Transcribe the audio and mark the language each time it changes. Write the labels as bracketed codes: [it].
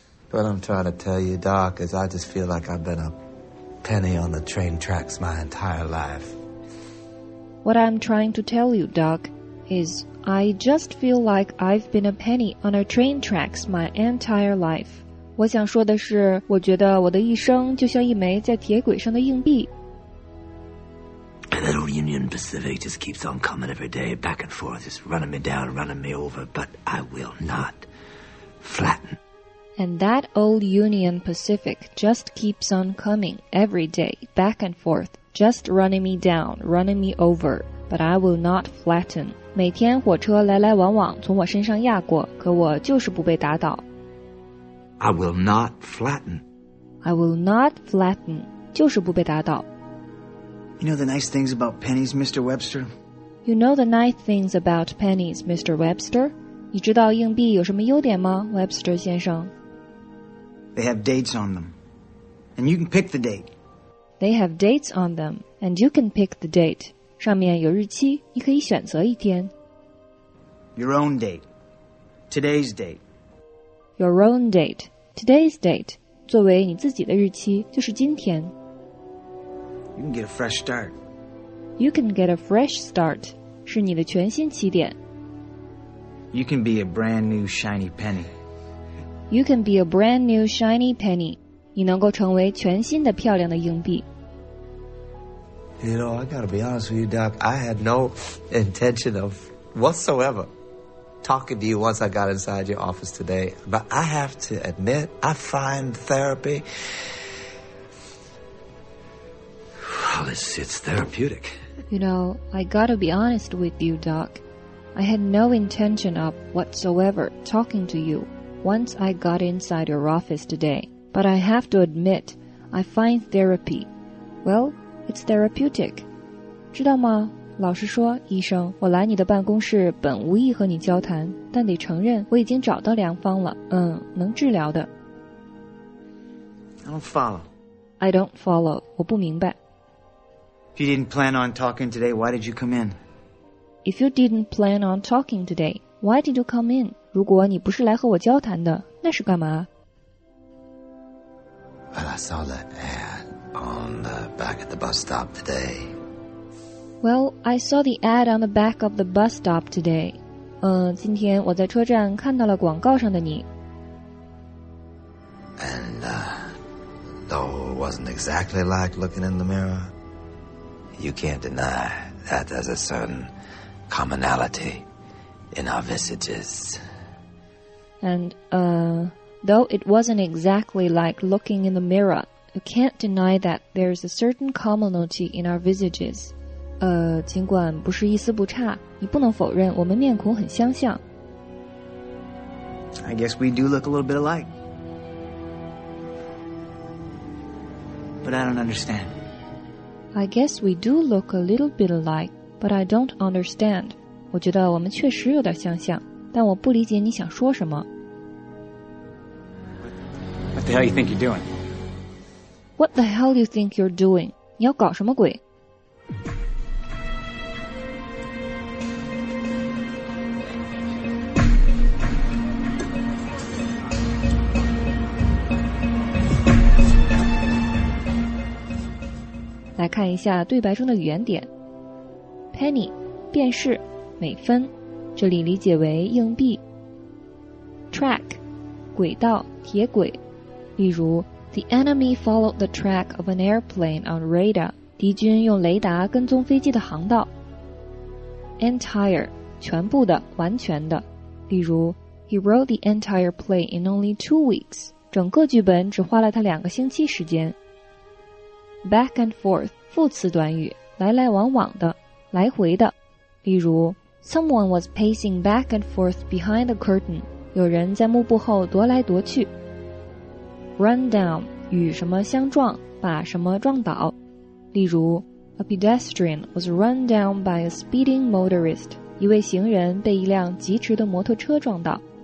[en] What I'm trying to tell you, Doc, is I just feel like I've been a penny on the train tracks my entire life. What I'm trying to tell you, Doc, is I just feel like I've been a penny on the train tracks my entire life. [zh] 我想说的是，我觉得我的一生就像一枚在铁轨上的硬币。 [en] That old Union Pacific just keeps on coming every day, back and forth, just running me down, running me over, but I will not flatten. And that old Union Pacific just keeps on coming every day, back and forth, just running me down, running me over, but I will not flatten. [zh] 每天火车来来往往从我身上压过，可我就是不被打倒。 [en] I will not flatten. I will not flatten, [zh] 就是不被打倒。 [en] You know the nice things about pennies, Mr. Webster? You know the nice things about pennies, Mr. [zh] Webster? 你知道硬币有什么优点吗 ,Webster 先生? [en] They have dates on them. And you can pick the date. They have dates on them. And you can pick the date. [zh] 上面有日期,你可以选择一天。 [en] Your own date. Today's date. Your own date. Today's date. [zh] 作为你自己的日期,就是今天。 [en] You can get a fresh start. You can get a fresh start. [zh] 是你的全新起点。 [en] You can be a brand new shiny penny. You can be a brand new shiny penny. [zh] 你能够成为全新的漂亮的硬币。 [en] You know, I gotta be honest with you, Doc. I had no intention of whatsoever talking to you once I got inside your office today. But I have to admit, I find therapy... Well, it's therapeutic. You know, I gotta be honest with you, Doc. I had no intention of whatsoever talking to you once I got inside your office today. But I have to admit, I find therapy. Well, it's therapeutic. [zh] 知道吗？老实说，医生，我来你的办公室本无意和你交谈，但得承认我已经找到良方了。嗯，能治疗的。 [en] I don't follow. I don't follow. [zh] 我不明白。 [en] If you didn't plan on talking today, why did you come in? If you didn't plan on talking today, why did you come in? [zh] 如果你不是来和我交谈的，那是干嘛？ [en] Well, I saw the ad on the back of the bus stop today. Well, I saw the ad on the back of the bus stop today. [zh] 今天我在车站看到了广告上的你。 [en] And, though it wasn't exactly like looking in the mirror, you can't deny that there's a certain commonality in our visages. Though it wasn't exactly like looking in the mirror, you can't deny that there's a certain commonality in our visages. [zh] 尽管不是一丝不差，你不能否认我们面孔很相像。 [en] I guess we do look a little bit alike. But I don't understand. I guess we do look a little bit alike, but I don't understand. [zh] 我觉得我们确实有点相像，但我不理解你想说什么。 [en] What the hell you think you're doing? What the hell you think you're doing? [zh] 你要搞什么鬼？来看一下对白中的语言点。 Penny, 便是，每分，这里理解为硬币。 [en] Track, [zh] 轨道，铁轨。例如 [en] ,The enemy followed the track of an airplane on radar. [zh] 敌军用雷达跟踪飞机的航道。 Entire, 全部的，完全的。 [en] 例如 ,He wrote the entire play in only 2 weeks. [zh] 整个剧本只花了他两个星期时间。 Back and forth, 副词短语，来来往往的，来回的。 [en] 例如 ,Someone was pacing back and forth behind the curtain. [zh] 有人在幕布后踱来踱去。 Run down, 与什么相撞，把什么撞倒。 [en] 例如 ,A pedestrian was run down by a speeding motorist, [zh] 一位行人被一辆疾驰的摩托车撞倒。